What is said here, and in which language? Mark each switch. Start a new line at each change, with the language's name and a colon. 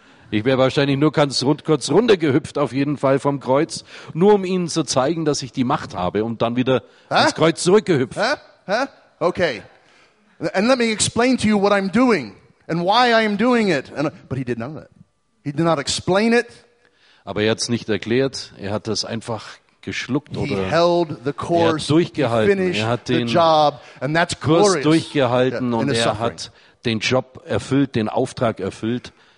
German: Ich wäre wahrscheinlich nur ganz kurz runtergehüpft auf jeden Fall vom Kreuz, nur um ihnen zu zeigen, dass ich die Macht habe, und dann wieder ins Kreuz zurückgehüpft. Huh? Huh? Okay.
English: And let me explain to you what I'm doing and why I am doing it. And, but he did not. He did not explain it.
German: Aber er hat es nicht erklärt, er hat das einfach geschluckt oder
English: he held the course,
German: er hat durchgehalten, er hat den
English: job,
German: Kurs durchgehalten und er hat den Job erfüllt, den Auftrag erfüllt.